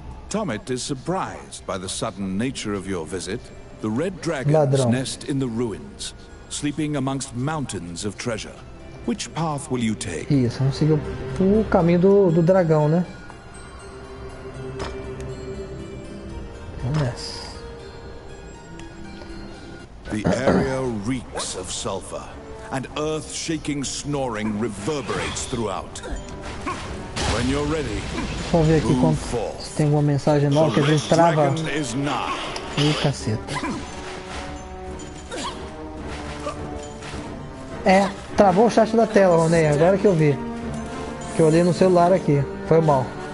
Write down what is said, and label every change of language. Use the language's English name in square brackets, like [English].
[English] Tommit is surprised by the sudden nature of your visit. The Red Dragons [Portuguese] Ladrão. [English] Nest in the ruins, sleeping amongst mountains of treasure. Which path will you take? [Portuguese] Isso, vamos seguir o caminho do dragão, né? [English] Yes. The area reeks of sulfur, and earth-shaking snoring reverberates throughout. When you're ready, [Portuguese] vamos ver aqui quanto se tem alguma mensagem nova que a gente trava. Ih, caceta. É, travou o chat da tela, Ronei, agora que eu vi. Que eu olhei no celular aqui. Foi mal.